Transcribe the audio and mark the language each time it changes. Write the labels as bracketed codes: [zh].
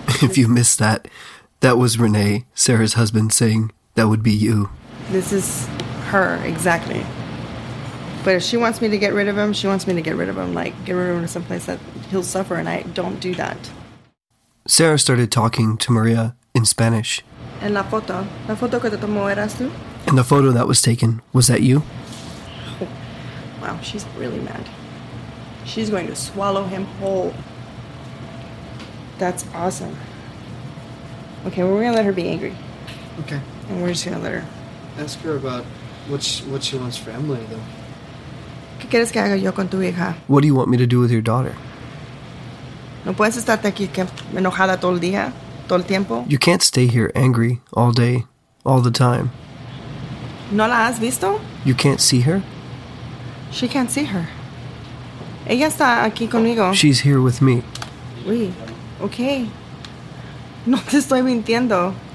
[en] If you missed that, that was Renee, Sarah's husband, saying that would be you. This is her, exactly. But if she wants me to get rid of him, she wants me to get rid of him. Like, get rid of him to someplace that he'll suffer, and I don't do that. Sarah started talking to Maria in Spanish. [es] En la foto que te tomó eras tú? [en] And the photo that was taken, was that you? Wow, she's really mad. She's going to swallow him whole. That's awesome. Okay, well, we're going to let her be angry. Okay. And we're just going to let her. Ask her about what she wants for Emily, though. [es] ¿Qué quieres que haga yo con tu hija? [en] What do you want me to do with your daughter? [es] No puedes estar aquí enojada todo el día, todo el tiempo. [en] You can't stay here angry all day, all the time. [es] ¿No la has visto? [en] You can't see her? She can't see her. [es] Ella está aquí conmigo. [en] She's here with me. [es] Uy, okay. No te estoy mintiendo.